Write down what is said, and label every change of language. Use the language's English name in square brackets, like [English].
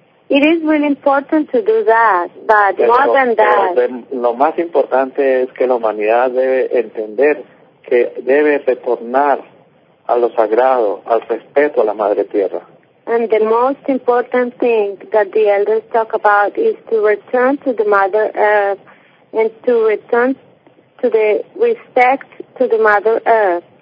[English] It is really important to do that, but more than that. [Spanish] Lo más importante es que la humanidad debe entender que debe retornar a lo sagrado, al respeto a la Madre Tierra. [English] And the most important thing that the elders talk about is to return to the Mother Earth and to return to the respect to the Mother Earth.